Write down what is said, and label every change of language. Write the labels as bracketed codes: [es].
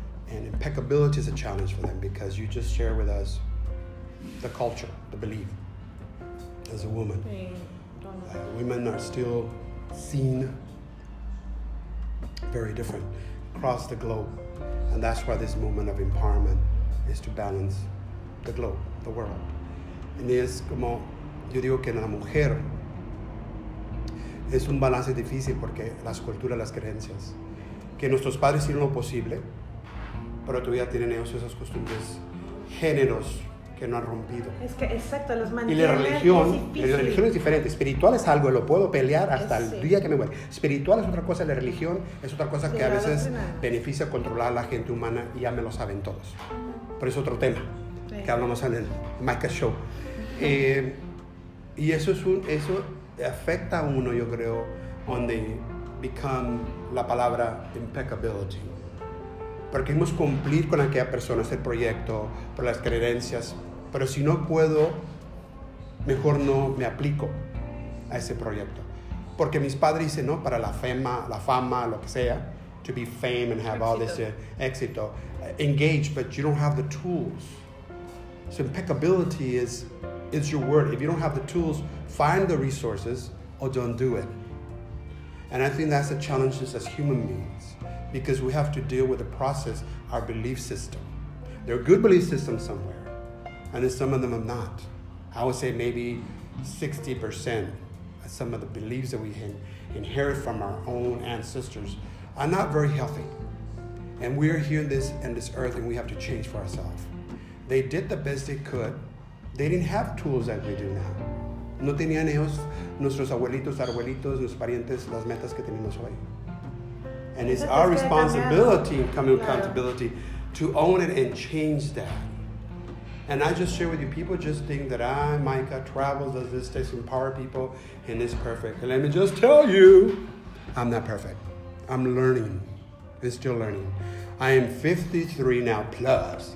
[en] And impeccability is a challenge for them because you just share with us the culture, the belief, as a woman. Women are still seen very different across the globe. And that's why this movement of empowerment is to balance the globe, the world. [es] And es como, yo digo que en la mujer, es un balance difícil porque las culturas, las creencias, que nuestros padres hicieron lo posible, pero todavía tienen ellos esas costumbres, géneros que no han rompido. Es que exacto, los mantienen. Y la religión es diferente. Espiritual es algo, lo puedo pelear hasta el día que me muera. Espiritual es otra cosa, la religión es otra cosa, sí, que a veces beneficia a controlar a la gente humana y ya me lo saben todos. Pero es otro tema sí. que hablamos en el Micah Show. Uh-huh. Y eso es un... Eso, afecta a uno, yo creo, donde become la palabra impeccability. Porque hemos cumplir con aquella persona, ese proyecto, por las creencias, pero si no puedo, mejor no me aplico a ese proyecto. Porque mis padres dicen, no, para la fama, lo que sea, [en] to be fame and have [es] éxito. [en] All this éxito, engage, but you don't have the tools. So impeccability is... It's your word. If you don't have the tools, find the resources or don't do it. And I think that's the challenge as human beings, because we have to deal with the process, our belief system. There are good belief systems somewhere, and some of them are not. I would say maybe 60% of some of the beliefs that we inherit from our own ancestors are not very healthy. And we are here in this earth, and we have to change for ourselves. They did the best they could. They didn't have tools that we do now. [es] No tenían ellos, nuestros abuelitos, arbuelitos, nuestros parientes, las metas que tenemos hoy. [en] And it's our responsibility, coming accountability, to own it and change that. And I just share with you, people just think that Micah travels, does this, takes, empower people, and is perfect. And let me just tell you, I'm not perfect. I'm learning. I'm still learning. I am 53 now plus.